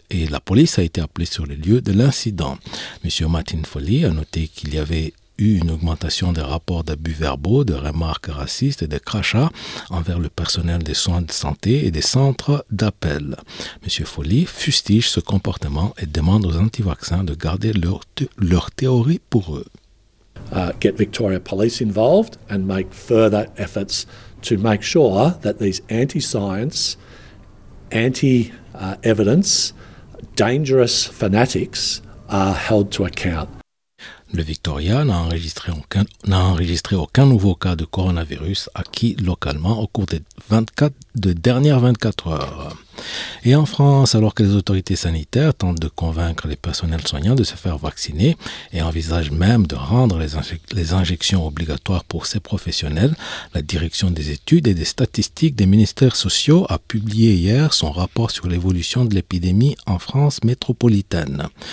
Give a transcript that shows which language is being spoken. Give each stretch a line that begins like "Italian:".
French: La police a été appelée sur les lieux de l'incident. Monsieur Martin Foley a noté qu'il y avait eu une augmentation des rapports d'abus verbaux, de remarques racistes et de crachats envers le personnel des soins de santé et des centres d'appel. Monsieur Foley fustige ce comportement et demande aux anti-vaccins de garder leur théorie pour eux.
English: Get Victoria Police involved and make further efforts to make sure that these anti-science, anti-evidence, dangerous fanatics are held to account.
French: Le Victoria n'a enregistré aucun nouveau cas de coronavirus acquis localement au cours des dernières 24 heures. Et en France, alors que les autorités sanitaires tentent de convaincre les personnels soignants de se faire vacciner et envisagent même de rendre les injections obligatoires pour ces professionnels, la Direction des études et des statistiques des ministères sociaux a publié hier son rapport sur l'évolution de l'épidémie en France métropolitaine.